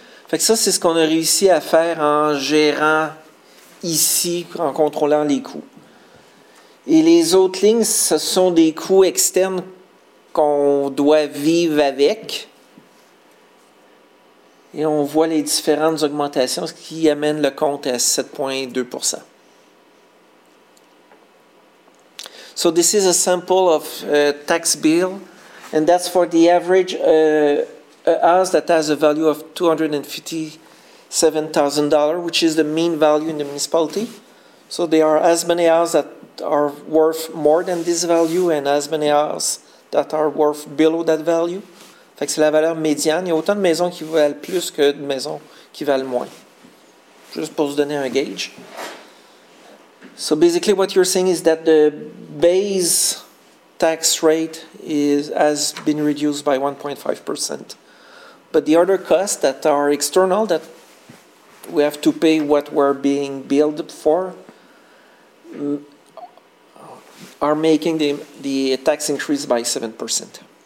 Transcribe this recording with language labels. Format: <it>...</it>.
<fr>Fait que ça, c'est ce qu'on a réussi à faire en gérant ici, en contrôlant les coûts. Et les autres lignes, ce sont des coûts externes qu'on doit vivre avec. Et on voit les différentes augmentations, ce qui amène le compte à 7,2%.</fr> <en>So this is a sample of tax bill, and that's for the average house that has a value of $257,000, which is the mean value in the municipality. So there are as many houses that are worth more than this value, and as many houses that are worth below that value.</en> <fr>Fait que c'est la valeur médiane. Il y a autant de maisons qui valent plus que de maisons qui valent moins. Juste pour vous donner un gauge.</fr> <en>So basically what you're saying is that the base tax rate has been reduced by 1.5%. But the other costs that are external, that we have to pay what we're being billed for, are making the tax increase by 7%.</en>